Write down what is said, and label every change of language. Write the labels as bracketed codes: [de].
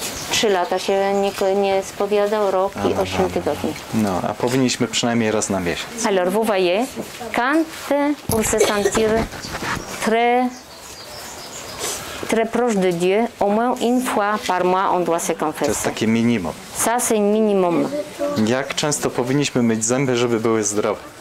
[pl] 3 lata się nie spowiadał, rok i 8 tygodni. No, a powinniśmy przynajmniej raz na miesiąc. [fr] Alors, vous voyez, quand on se sentir très, très proche de Dieu, au moins une fois par mois on doit se confesser. [pl] To jest takie minimum. [fr] Ça, c'est un minimum. [pl] Jak często powinniśmy myć zęby, żeby były zdrowe?